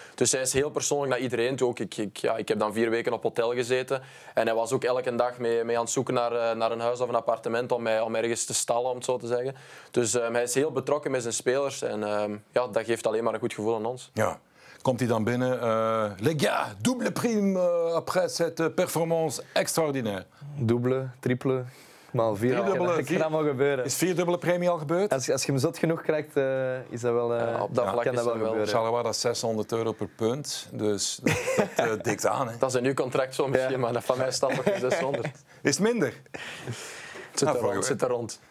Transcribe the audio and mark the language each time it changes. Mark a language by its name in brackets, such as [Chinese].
[Dutch] Dus hij is heel persoonlijk naar iedereen toe. Ik heb dan 4 weken op hotel gezeten. En hij was ook elke dag mee aan het zoeken naar een huis of een appartement om ergens te stallen, om het zo te zeggen. Dus hij is heel betrokken met zijn spelers. En dat geeft alleen maar een goed gevoel aan ons. Ja. Komt hij dan binnen? [French] Les gars, double prime après cette performance extraordinaire. Double, triple, [Dutch] maal vier. Dat kan allemaal gebeuren. Is 4-dubbele premie al gebeurd? Als je hem zot genoeg krijgt, is dat wel. Op dat vlak kan dat wel gebeuren. Charleroi, dat is €600 per punt. Dus dat dikt aan. Hè. Dat is een nieuw contract zo misschien, maar dat van mij staat nog in 600. Is het minder? Het zit er rond.